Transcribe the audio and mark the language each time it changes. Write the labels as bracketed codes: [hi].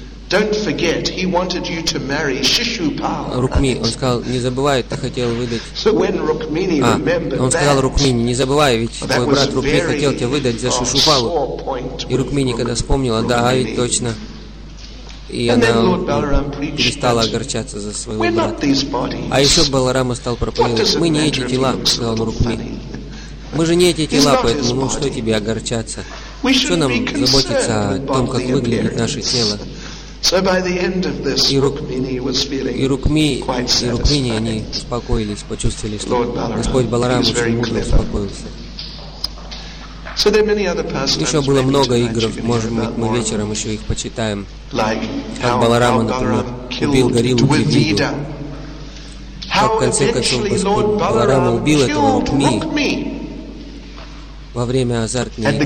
[en] Don't forget, he wanted you to marry Shishupal. [ru] Рукми, он сказал, не забывай, ты хотел выдать. [en] So when Rukmini remembered that, [ru] он сказал Рукмини, не забывай, ведь твой брат Рукми хотел тебя выдать за Шишупалу. И Рукмини когда вспомнила, да, ведь точно. И она перестала огорчаться за своего брата. А еще Баларама стал проповедовать, мы не эти тела, сказал Рукми. Мы же не эти тела, поэтому ну что тебе огорчаться? Что нам заботиться о том, как выглядит наше тело? [en] So by the end of this, Rukmini was feeling quite satisfied. [ru] И Рукмини они успокоились, почувствовали, что Господь Баларама очень мудро успокоился. [en] So there are many other pastimes. [ru] Еще было много игр, может быть, мы вечером еще их почитаем. [en] Like [ru] как Баларама, например, убил гориллу Дивиду. Как в конце концов Господь Баларама убил этого Рукми во время азартной игры.